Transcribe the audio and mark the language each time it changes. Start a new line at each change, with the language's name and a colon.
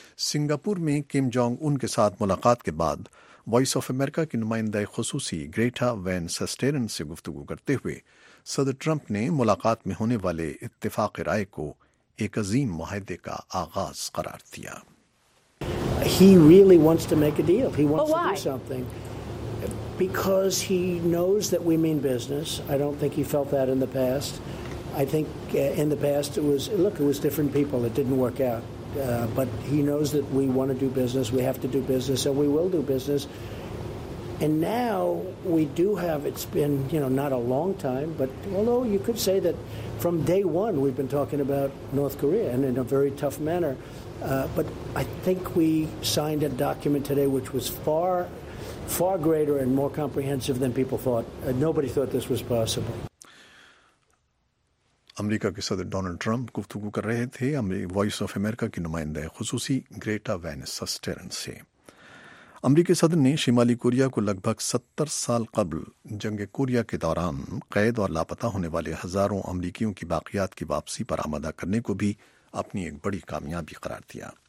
Urdu: Singapore میں Kim Jong Un کے ساتھ ملاقات کے بعد وائس آف امریکہ کی نمائندہ خصوصی گریٹا وین سسٹیرن سے گفتگو کرتے ہوئے صدر ٹرمپ نے ملاقات میں ہونے والے اتفاق رائے کو ایک عظیم معاہدے کا آغاز قرار دیا.
English: He really wants to make a deal. He wants to do something. Because he knows that we mean business. I don't think he felt that in the past. I think in the past it was, look, it was different people. It didn't work out. But he knows that we want to do business. We have to do business, and we will do business. And now we do have, it's been, you know, not a long time, but although you could say that from day one we've been talking about North Korea and in a very tough manner. But I think we signed a document today which was far, far greater and more comprehensive than people thought. Nobody thought this was possible.
Urdu: امریکہ کے صدر Donald Trump گفتگو کر رہے تھے voice of America کی نمائندہ خصوصی Greta Venice stern سے. امریکی صدر نے شمالی کوریا کو لگ بھگ 70 سال قبل جنگ کوریا کے دوران قید اور لاپتہ ہونے والے ہزاروں امریکیوں کی باقیات کی واپسی پر آمادہ کرنے کو بھی اپنی ایک بڑی کامیابی قرار دیا.